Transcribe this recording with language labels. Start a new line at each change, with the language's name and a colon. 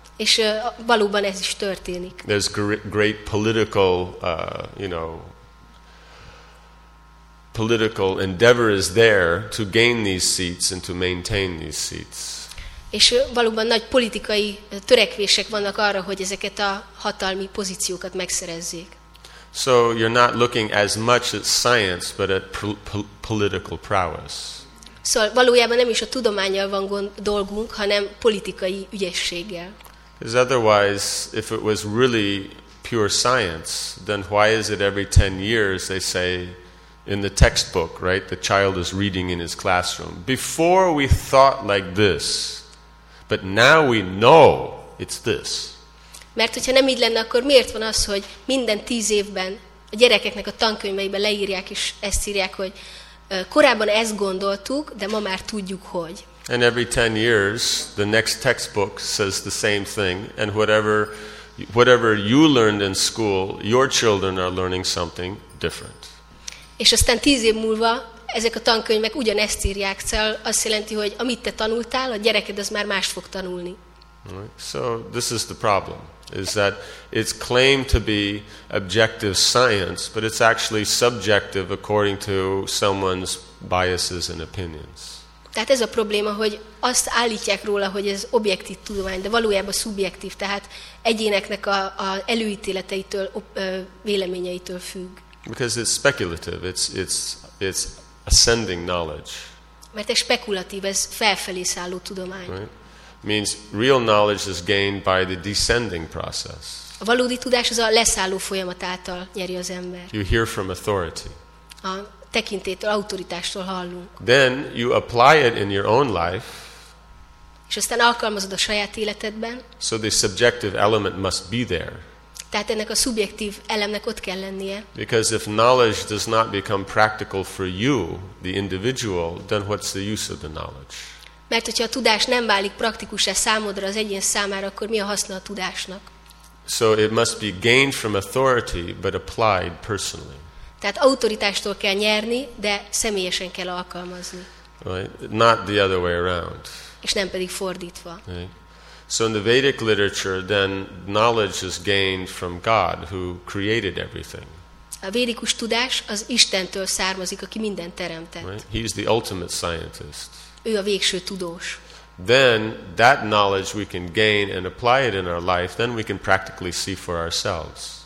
Hungarian: És valóban ez is történik.
English: There's great political, political endeavors there to gain these seats and to maintain these seats.
Hungarian: És valóban nagy politikai törekvések vannak arra, hogy ezeket a hatalmi pozíciókat megszerezzék.
English: So you're not looking as much at science, but at political prowess.
Hungarian: Szóval valójában nem is a tudománnyal van dolgunk, hanem politikai ügyességgel.
English: Because otherwise, if it was really pure science, then why is it every 10 years they say in the textbook, right, the child is reading in his classroom, before we thought like this, but now we know it's this.
Hungarian: Mert hogyha nem így lenne, akkor miért van az, hogy minden 10 évben a gyerekeknek a tankönyveiben leírják és ezt írják, hogy korábban ezt gondoltuk, de ma már tudjuk, hogy.
English: And every 10 years, the next textbook says the same thing, and whatever you learned in school, your children are learning something different.
Hungarian: És aztán 10 év múlva ezek a tankönyvek ugyanezt írják, szóval azt jelenti, hogy amit te tanultál, a gyereked az már más fog tanulni.
English: So this is the problem, is that it's claimed to be objective science, but it's actually subjective according to someone's biases and opinions.
Hungarian: Tehát ez a probléma, hogy azt állítják róla, hogy ez objektív tudomány, de valójában szubjektív, tehát egyéneknek a előítéleteitől, véleményeitől függ.
English: Because it's speculative, it's ascending knowledge.
Hungarian: Mert ez spekulatív, ez felfelé szálló tudomány.
English: Right? Means real knowledge is gained by the descending process.
Hungarian: A valódi tudás az a leszálló folyamat által nyeri az ember.
English: You hear from authority.
Hungarian: A tekintétől, autoritástól hallunk.
English: Then you apply it in your own life.
Hungarian: És aztán alkalmazod a saját életedben.
English: So the subjective element must be there.
Hungarian: Tehát ennek a szubjektív elemnek ott kell lennie.
English: Because if knowledge does not become practical for you, the individual, then what's the use of the knowledge?
Hungarian: Mert hogyha a tudás nem válik praktikussá számodra, az egyén számára, akkor mi a haszna a tudásnak?
English: So it must be gained from authority, but applied personally.
Hungarian: Tehát autoritástól kell nyerni, de személyesen kell alkalmazni.
English: Right? Not the other way around.
Hungarian: És nem pedig fordítva.
English: Right? So in the Vedic literature, then knowledge is gained from God, who created everything.
Hungarian: A védikus tudás az Istentől származik, aki mindent teremtett.
English: Right? He is the ultimate scientist.
Hungarian: Ő a végső tudós.
English: Then that knowledge we can gain and apply it in our life, then we can practically see for ourselves.